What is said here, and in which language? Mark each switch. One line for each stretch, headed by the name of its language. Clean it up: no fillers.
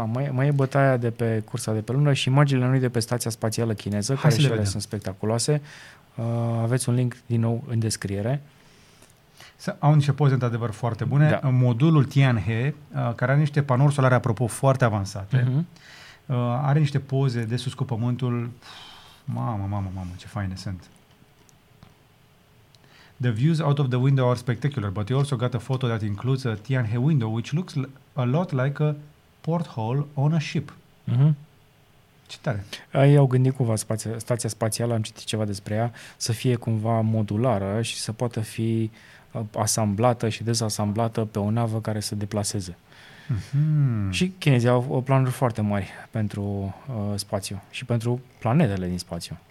Romanian: Mai e bătaia de pe cursa de pe lună și imaginile noi de pe stația spațială chineză, care și ele sunt spectaculoase. Aveți un link din nou în descriere. Au niște poze, într-adevăr, foarte bune. Da. Modulul Tianhe, care are niște panouri solare, apropo, foarte avansate, uh-huh, are niște poze de sus cu pământul. Mamă, ce faine sunt.
English: The views out of the window are spectacular, but you also got a photo that includes a Tianhe window, which looks a lot like a porthole on a ship. Uh-huh.
Romanian: Ce tare. Ei au gândit cumva stația spațială, am citit ceva despre ea, să fie cumva modulară și să poată fi asamblată și dezasamblată pe o navă care se deplaseze. Mm-hmm. Și chinezii au planuri foarte mari pentru spațiu și pentru planetele din spațiu.